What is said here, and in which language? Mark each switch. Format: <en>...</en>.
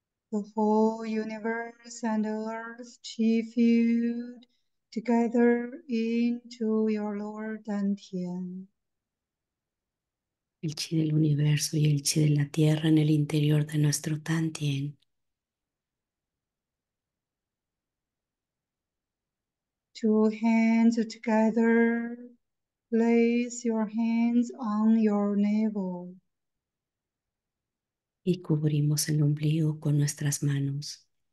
<en>The whole universe and earth chi field together into your Lord Dantian.</en> <es>El chi del universo y el chi de la tierra en el interior de nuestro Tantien.</es> <en>Two hands together, place your hands on your navel.</en> <es>Y cubrimos el ombligo con nuestras manos.</es>